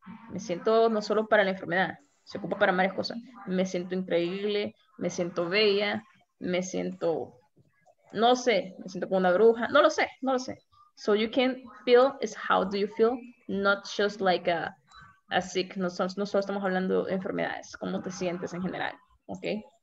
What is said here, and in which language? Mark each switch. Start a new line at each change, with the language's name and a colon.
Spanish: me siento no solo para la enfermedad, se ocupa para varias cosas, me siento increíble, me siento bella, me siento, no sé, me siento como una bruja, no lo sé, no lo sé.
English: So you can feel is how do you feel, not just like a sick.
Spanish: Nosotros estamos hablando de enfermedades, cómo te sientes en general, ¿ok?